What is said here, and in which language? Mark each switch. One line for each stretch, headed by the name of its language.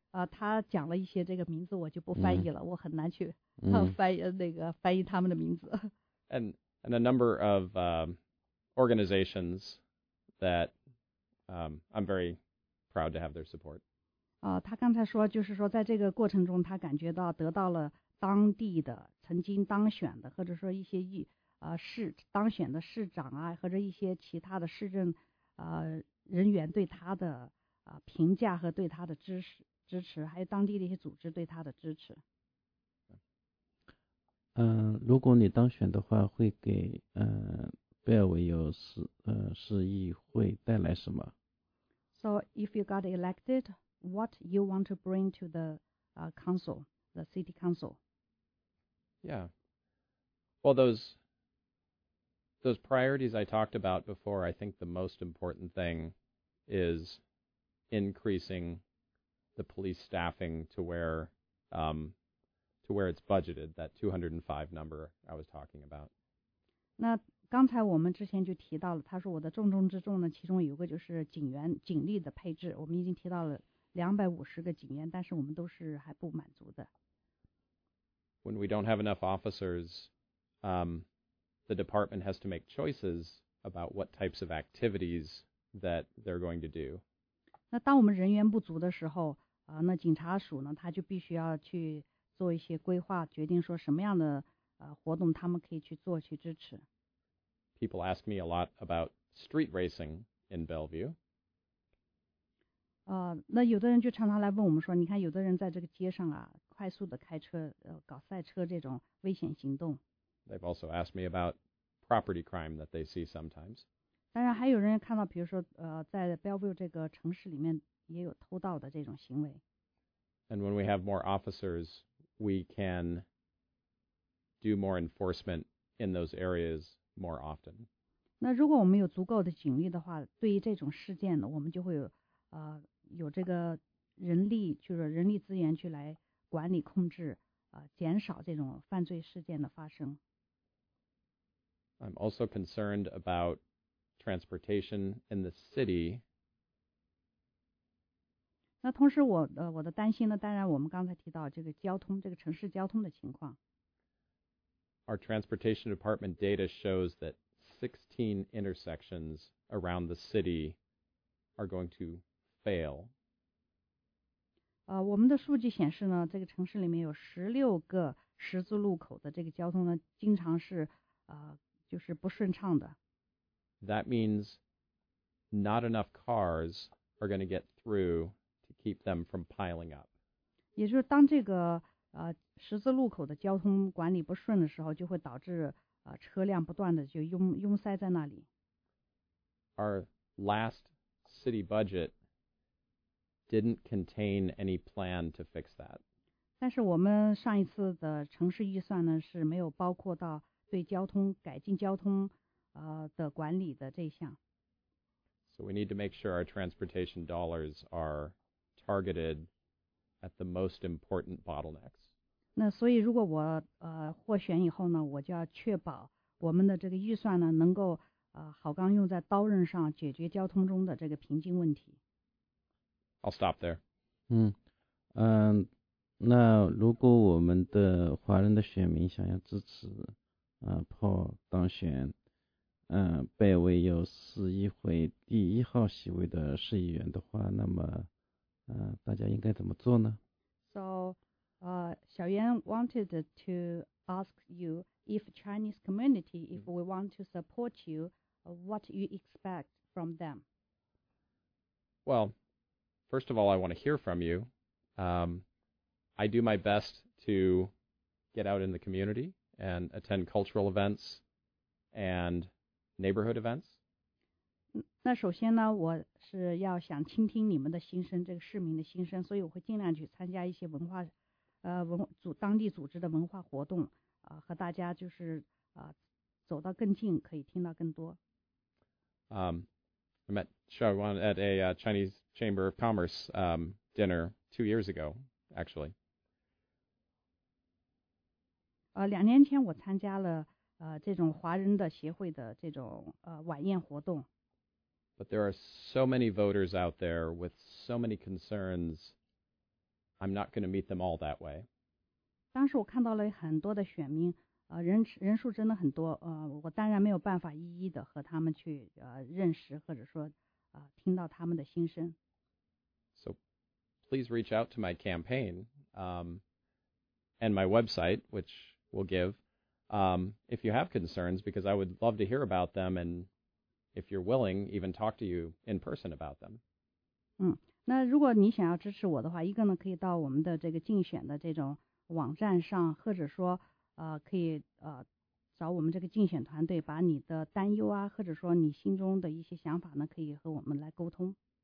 Chinese: 他讲了一些这个名字，我就不翻译了。我很难去翻译那个翻译他们的名字。
English: And a number of organizations that I'm very proud to have their support.
Chinese: 他刚才说，就是说在这个过程中，他感觉到得到了。当地的曾经当选的，或者说一些市当选的市长啊，或者一些其他的市政人员对他的评价和对他的支持，还有当地的一些组织对他的支持。如果你当选的话，会给贝尔维尤市议会带来什么
English: ？So if you got elected, what you want to bring to the council, the city council? Yeah. Well, those priorities I talked about before, I think the most important thing is increasing the police staffing to where it's budgeted, that 205 number I was talking about.
Chinese: 那刚才我们之前就提到了，他说我的重中之重呢，其中有个就是警力的配置。我们已经提到了250个警员，但是我们都是还不满足的。
English: When we don't have enough officers, the department has to make choices about what types of activities that they're going to do.
Chinese: 那当我们人员不足的时候，那警察署呢，他就必须要去做一些规划，决定说什么样的活动他们可以去做去支持。
English: People ask me a lot about street racing in Bellevue.
Chinese: 那有的人就常常来问我们说，你看有的人在这个街上啊。快速的开车，搞赛车这种危险行动。
English: They've also asked me about property crime that they see sometimes.
Chinese: 当然，还有人看到，比如说，在 Bellevue 这个城市里面也有偷盗的这种行为。
English: And when we have more officers, we can do more enforcement in those areas more often.
Chinese: 那如果我们有足够的警力的话，对于这种事件呢，我们就会有有这个人力，就是人力资源去来管理控制，减少这种犯罪事件的发生。
English: I'm also concerned about transportation in the city.
Chinese: 那同时我的担心呢，当然我们刚才提到这个交通，这个城市交通的情况。
English: Our transportation department data shows that 16 intersections around the city are going to fail.
Chinese: 我们的数据显示呢，这个城市里面有16个十字路口的这个交通呢，经常是就是不顺畅的。
English: That means not enough cars are going to get through to keep them from piling up.
Chinese: 也就是当这个十字路口的交通管理不顺的时候，就会导致车辆不断的就拥塞在那里。
English: Our last city budget didn't contain any plan to fix that.
Chinese: 但是我们上一次的城市预算呢，是没有包括到对交通改进交通的管理的这项。
English: So we need to make sure our transportation dollars are targeted at the most important bottlenecks.
Chinese: 那所以如果我获选以后呢，我就要确保我们的这个预算呢能够好钢用在刀刃上，解决交通中的这个瓶颈问题。
English: I'll stop there.
Chinese: 那如果我们的华人的选民想要支持Paul 当选被委有市议会第一号席位的市议员的话，那么大家应该怎么做呢？
English: So, Xiao Yan wanted to ask you if Chinese community, if we want to support you, what you expect from them? Well, first of all, I want to hear from you. I do my best to get out in the community and attend cultural events and neighborhood events.
Chinese: 那首先呢，我是要想倾听你们的心声，这个市民的心声，所以我会尽量去参加一些文化当地组织的文化活动，和大家就是走到更近，可以听到更多。
English: I met Xiao Yan at a Chinese Chamber of Commerce dinner 2 years ago, actually.
Chinese: 两年前我参加了这种华人的协会的这种晚宴活动。
English: But there are so many voters out there with so many concerns, I'm not going to meet them all that way.
Chinese: 当时我看到了很多的选民，人数真的很多，我当然没有办法一一的和他们去认识，或者说听到他们的心声。
English: So please reach out to my campaign, and my website, which we'll give, if you have concerns, because I would love to hear about them, and if you're willing, even talk to you in person about them.
Chinese: 那如果你想要支持我的话，一个呢可以到我们的这个竞选的这种网站上，或者说可以找我们这个竞选团队，把你的担忧啊，或者说你心中的一些想法呢，可以和我们来沟通。